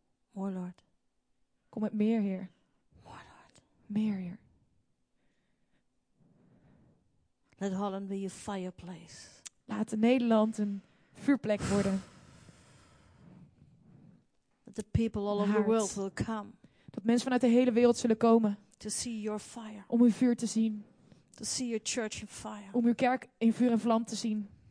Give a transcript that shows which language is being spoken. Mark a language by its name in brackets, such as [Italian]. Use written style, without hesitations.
[English] More, Lord. [Dutch] Kom met meer, Heer. [English] More, Lord. [Dutch] Meer, Heer. [English] Let Holland be a fireplace. [Dutch] Laat Nederland een vuurplek worden. [English] That the people all over the world will come. [Dutch] Dat mensen vanuit de hele wereld zullen komen. [English] To see your fire. [Dutch] Om uw vuur te zien. [English] To see your church in fire. [Dutch] Om uw kerk in vuur en vlam te zien.